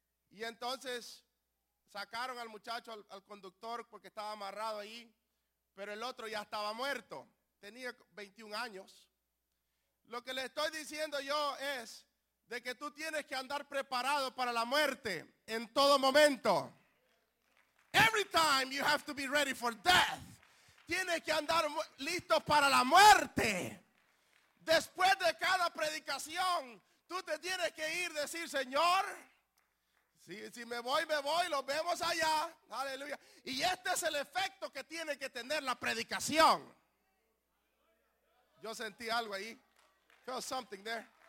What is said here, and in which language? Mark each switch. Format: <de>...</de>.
<es>Y entonces sacaron al muchacho, al conductor, porque estaba amarrado ahí, pero el otro ya estaba muerto. Tenía 21 años. Lo que le estoy diciendo yo es de que tú tienes que andar preparado para la muerte en todo momento.</es> <en>Every time you have to be ready for death.</en> <es>Tienes que andar listo para la muerte. Después de cada predicación, tú te tienes que ir a decir, Señor, si me voy, los vemos allá. Aleluya. Y este es el efecto que tiene que tener la predicación. Yo sentí algo ahí.</es> <en>Feel something there.</en>